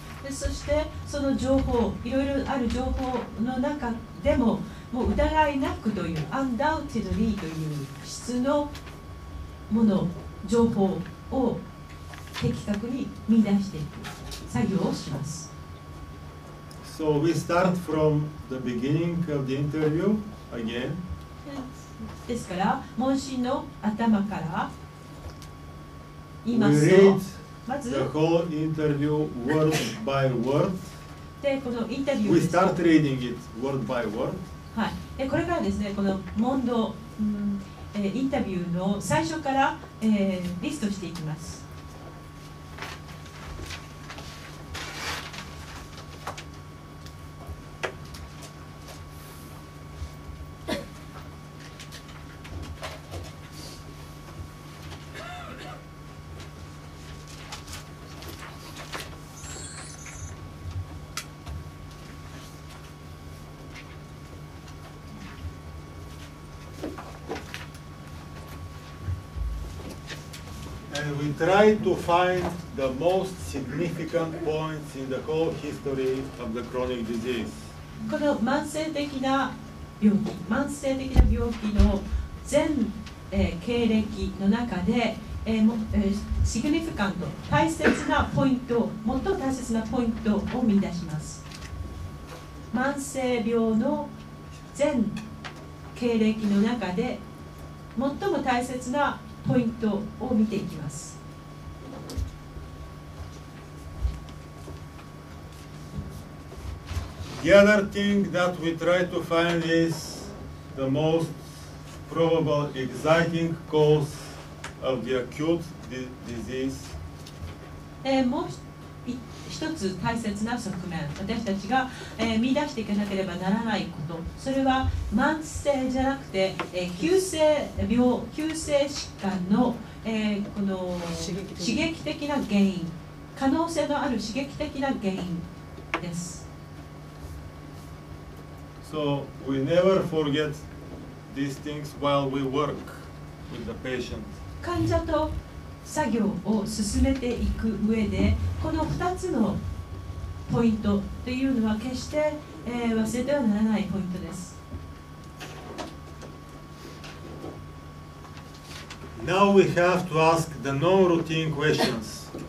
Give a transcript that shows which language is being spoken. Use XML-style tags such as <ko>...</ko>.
<ja>そしてその情報、いろいろある情報の中でも、もう疑いなくという、undoubtedly という質のもの、情報を的確に見出していく作業をします。</ja> <en>So we start from the beginning of the interview again.</en> <ja>ですから、問診の頭から言いますと、まず、</ja> <en>the whole interview word by word.</en> <ja>で、このインタビュー</ja> <en>です。We start reading it word by word.</en> <ja>はい。で、これからですね、この問答、インタビューの最初から、リストしていきます。</ja> <en>And we we try to find the most significant points in the whole history of the chronic disease.</en> <ja>この慢性的な病気、慢性的な病気の全、経歴の中で、シグニフィカント、大切なポイント、最も大切なポイントを見出します。慢性病の全経歴の中で最も大切なポイントを見ていきます。</ja> <en>The other thing that we try to find is the most probable exciting cause of the acute disease.</en> <ja>もう一つ大切な側面、私たちが、見出していかなければならないこと、それは慢性じゃなくて、急性病、急性疾患の、この刺激的な原因、可能性のある刺激的な原因です。</ja> <en>So we never forget these things while we work with the patient.</en> <ja>患者と作業を進めていく上で、この2つのポイントというのは決して、忘れてはならないポイントです。</ja> <en>Now we have to ask the non-routine questions.</en>